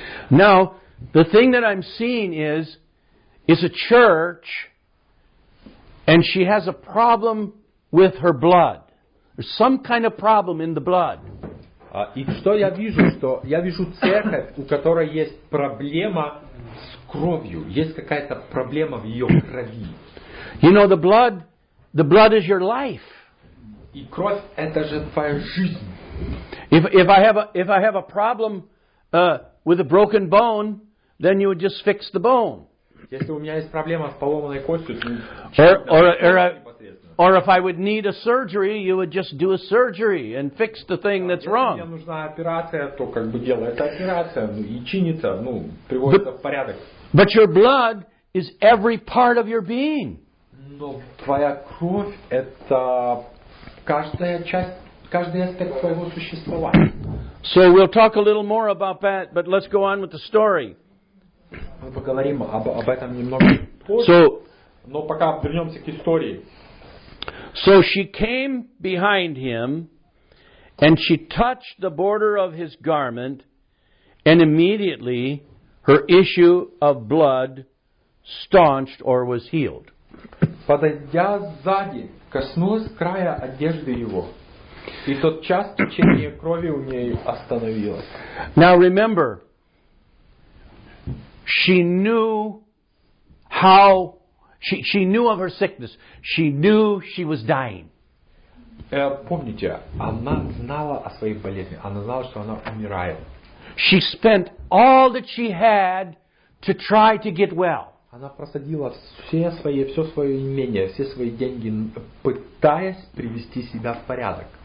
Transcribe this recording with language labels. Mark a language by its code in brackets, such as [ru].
[en] Now, the thing that I'm seeing is a church, and she has a problem with her blood. There's some kind of problem in the blood. [ru] И что я вижу, что я вижу церковь, у которой есть проблема с кровью, есть какая-то проблема в ее крови. [en] You know, the blood is your life. [ru] И кровь это же твоя жизнь. [en] If I have a problem with a broken bone, then you would just fix the bone. [ru] Если у меня есть проблема с поломанной костью, то [en] Or if I would need a surgery, you would just do a surgery and fix the thing that's wrong. [ru] Если мне нужна операция, то как бы делай эту операцию и чинится, ну, приводится в порядок. [en] But your blood is every part of your being. [ru] Но твоя кровь это каждая часть, каждый аспект твоего существования. [en] So we'll talk a little more about that, but let's go on with the story. [ru] Мы поговорим об этом немного позже. Но пока вернемся к истории. [en] So she came behind him, and she touched the border of his garment, and immediately her issue of blood staunched or was healed. [ru] Подойдя сзади, коснулась края одежды его, и тот час течение крови у нее остановилось. [en] Now remember, she knew how. She knew of her sickness. She knew she was dying. [ru] Помните, она знала о своей болезни. Она знала, что она умирает. [en] She spent all that she had to try to get well. [ru] Она просадила все свое имение, все свои деньги, пытаясь привести себя в порядок.